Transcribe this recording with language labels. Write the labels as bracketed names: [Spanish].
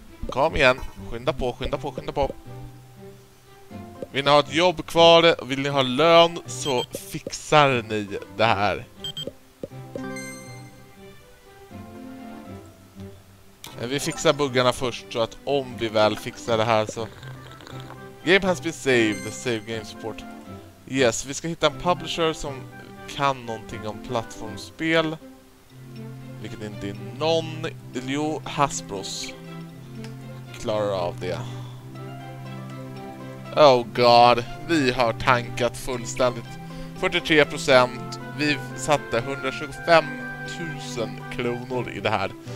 [Swedish] Kom igen. Skynda på, skynda på, skynda på. Vill ni ha ett jobb kvar och vill ni ha lön så fixar ni det här. Men vi fixar buggarna först så att om vi väl fixar det här så... [English] Game has been saved, the save game support. Yes, [Swedish] vi ska hitta en publisher som kan någonting om plattformsspel. Vilket inte är någon... Jo, Hasbros klarar av det. [English] Oh god, [Swedish] vi har tankat fullständigt. 43%, vi satte 125 000 kronor i det här.